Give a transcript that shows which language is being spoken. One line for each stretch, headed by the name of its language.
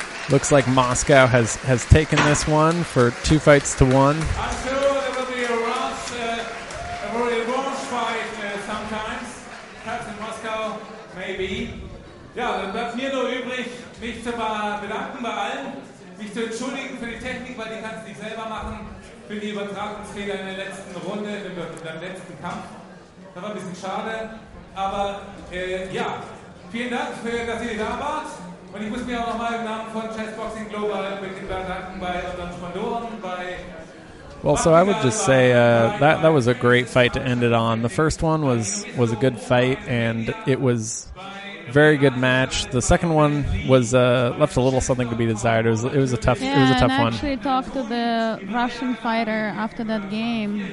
English: Looks like Moscow has taken this one for 2-1. I'm sure there will be a revenge fight sometimes. Perhaps in Moscow, maybe.
German: Ja, dann bleibt mir nur übrig, mich zu bedanken bei allen, mich zu entschuldigen für die Technik, weil die kannst du nicht selber machen, für die Übertragungsfehler in der letzten Runde, in deinem letzten Kampf. Das war ein bisschen schade. Aber ja, vielen Dank, dass ihr da wart. Und ich muss mir auch nochmal im Namen von Chessboxing Global bedanken bei unseren Sponsoren, bei.
English: Well, so I would just say that was a great fight to end it on. The first one was a good fight, and it was very good match. The second one was left a little something to be desired. It was a tough one. I actually talked to the Russian fighter after that game.